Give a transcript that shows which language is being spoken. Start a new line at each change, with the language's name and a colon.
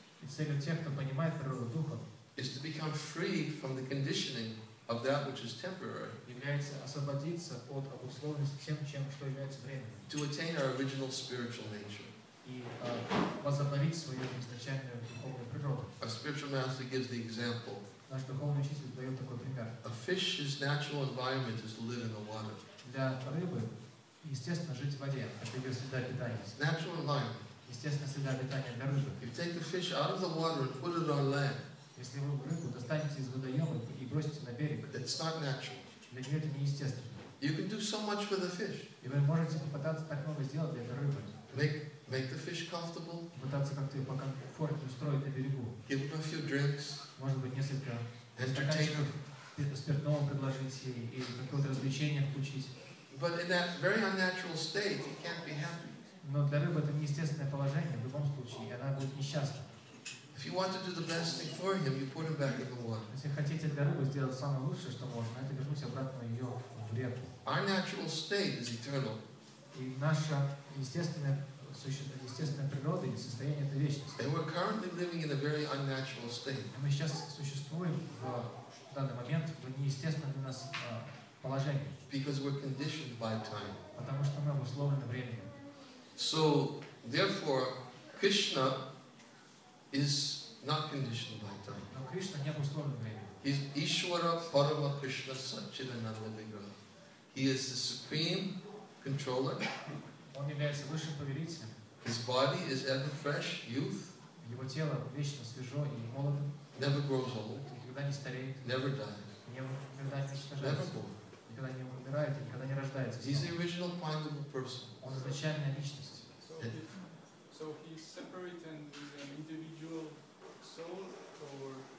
Russian: и цель тех, кто понимает природу духа,
English: is to become free from the conditioning of that which is temporary,
Russian: является освободиться от обусловленности тем, чем что является временным,
English: to attain our original spiritual nature.
Russian: И возобновить свою изначальную духовную природу.
English: A spiritual master gives the example.
Russian: Наш духовный учитель дает такой пример.
English: A fish's natural environment is to live in the water.
Russian: Для рыбы естественно жить в воде, это ее среда обитания.
English: Natural environment.
Russian: Естественно, среда обитания для рыбы.
English: If you take the fish out of the water and put it on land.
Russian: Если вы рыбу достанете из водоема и бросите на берег,
English: it's not natural.
Russian: Для нее это неестественно.
English: You can do so much for the fish.
Russian: И вы можете попытаться так много сделать для этой рыбы.
English: Make the fish comfortable.
Russian: Пытаться как-то ее покомфортнее устроить на берегу.
English: Give them a few drinks.
Russian: Может быть, несколько стаканчиков спиртного предложить ей и какое-то развлечение включить.
English: But in that very unnatural state, you can't be happy.
Russian: Но для рыбы это неестественное положение в любом случае, и она будет несчастна.
English: If you want to do the best thing for him, you put him back in the water.
Russian: Если хотите для рыбы сделать самое лучшее, что можно, это вернуть обратно ее в реку.
English: Our natural state is eternal.
Russian: И наша естественная природа и состояние — это вечность.
English: And we're currently living in a very unnatural state.
Russian: Мы сейчас существуем в данный момент в неестественном для нас положении.
English: Because we're conditioned by time.
Russian: Потому что мы обусловлены временем.
English: So, therefore, Krishna is not conditioned by time.
Russian: Но Кришна не обусловлен временем.
English: He is
Sanskrit: Ishvara Parama Krishna Satchidananda Vigraha.
English: He is the supreme controller.
Russian: Он является высшим повелителем.
English: His body is ever fresh, youth.
Russian: Его тело вечно свежо и молодо.
English: Never grows old.
Russian: Никогда не стареет.
English: Never dies.
Russian: Никогда не уничтожается.
English: Never born.
Russian: Никогда не умирает и никогда не рождается.
English: He's the original findable person.
Russian: Он изначальная личность.
English: So he's separate and is an individual soul, or